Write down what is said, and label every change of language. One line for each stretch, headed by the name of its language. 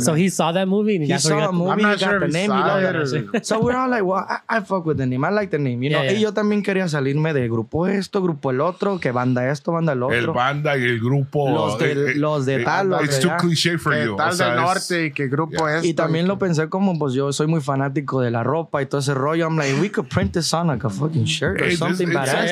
English: So he saw that movie and he saw the movie. I'm not sure the name. So we're all like, well, I fuck with the name. I like the name, you know.
Spanish: Y yo también quería salirme de grupo esto, grupo el otro, que banda esto, banda el otro. El banda y el grupo. Los de tal.
English: It's too cliche for you.
Spanish: Tal del norte y que grupo esto. Y también lo pensé como, pues yo soy muy fanático de la ropa y todo ese rollo.
English: I'm like, we could print this on like a fucking shirt or something badass.